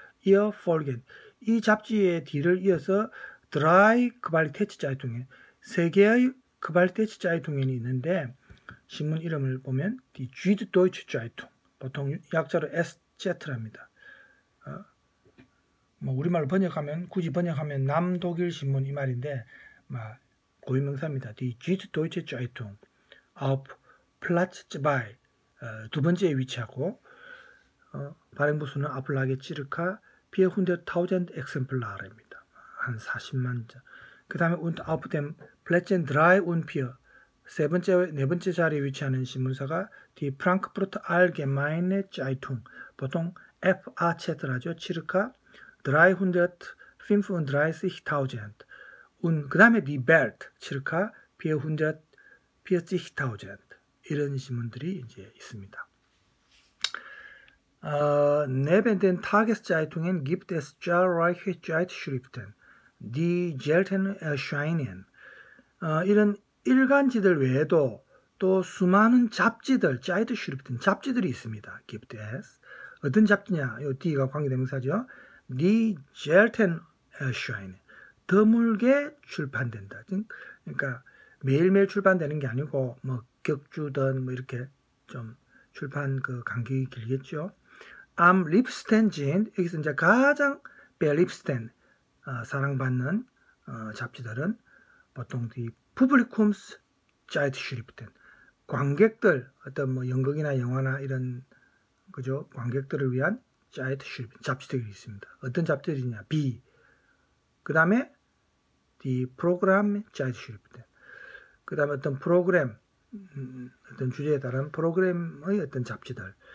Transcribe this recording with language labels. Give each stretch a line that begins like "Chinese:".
Korean: 이어 폴겐 이 잡지의 D를 이어서 드라이 퀄리티츠 자이통에 세계의 퀄리티츠 자이통이 있는데 신문 이름을 보면 디 쥐드 도이츠 자이통 보통 약자로 SZ랍니다. 뭐 우리말로 번역하면 굳이 번역하면 남독일 신문 이 말인데 막 고유명사입니다.
German: Die Süddeutsche Zeitung auf Platz 2
Korean: 두 번째에 위치하고 발행 부수는
German: Auflage circa 400.000 Exemplare입니다.
Korean: 한 40만 장. 그다음에
German: und auf dem Plätzen 3 und 4
Korean: 세 번째 네 번째 자리에 위치하는 신문사가 Die Frankfurter Allgemeine Zeitung 보통 FAZ라죠. 치르카 335,000 und 그 다음에 Die Welt 치르카 440,000 이런 신문들이 이제 있습니다.
German: Neben den Tageszeitungen gibt es zahlreiche Zeitschriften, die selten erscheinen.
Korean: 이런 일간지들 외에도 또 수많은 잡지들, Zeitschriften, 잡지들이 있습니다. Gibt es 어떤 잡지냐? 이 D가 관계대명사죠.
German: Die selten erscheinen.
Korean: 드물게 출판된다. 그러니까 매일매일 출판되는 게 아니고 뭐 격주든 뭐 이렇게 좀 출판 그 간격이 길겠죠.
German: Am liebsten sind
Korean: 여기서 이제 가장 beliebsten 사랑받는 잡지들은 보통 die Publikums Zeitschriften. 관객들 어떤 뭐 연극이나 영화나 이런 그죠? 관객들을 위한 자이트슈리프트 잡지들이 있습니다. 어떤 잡지들이냐? B. 그 다음에 The Program 자이트슈리프트 그 다음에 어떤 프로그램 어떤 주제에 따른 프로그램의 어떤 잡지들